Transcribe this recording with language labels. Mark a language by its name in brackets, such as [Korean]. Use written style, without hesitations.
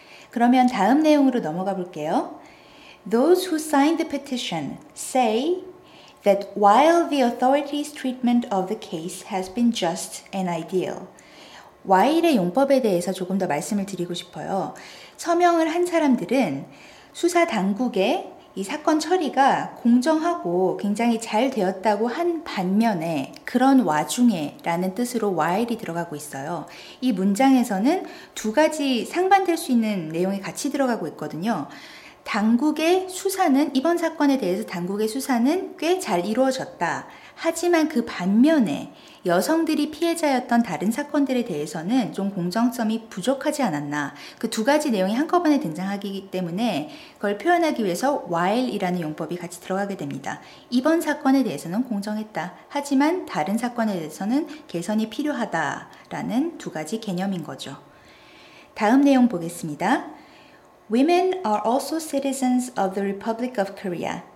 [Korean] 그러면 다음 내용으로 넘어가 볼게요. [English] Those who signed the petition say that while the authorities' treatment of the case has been just and ideal, [Korean] while의 용법에 대해서 조금 더 말씀을 드리고 싶어요. 서명을 한 사람들은 수사 당국의 이 사건 처리가 공정하고 굉장히 잘 되었다고 한 반면에 그런 와중에 라는 뜻으로 while이 들어가고 있어요. 이 문장에서는 두 가지 상반될 수 있는 내용이 같이 들어가고 있거든요. 당국의 수사는 이번 사건에 대해서 당국의 수사는 꽤 잘 이루어졌다. 하지만 그 반면에 여성들이 피해자였던 다른 사건들에 대해서는 좀 공정성이 부족하지 않았나. 그 두 가지 내용이 한꺼번에 등장하기 때문에 그걸 표현하기 위해서 while이라는 용법이 같이 들어가게 됩니다. 이번 사건에 대해서는 공정했다. 하지만 다른 사건에 대해서는 개선이 필요하다라는 두 가지 개념인 거죠. 다음 내용 보겠습니다. [English] Women are also citizens of the Republic of Korea.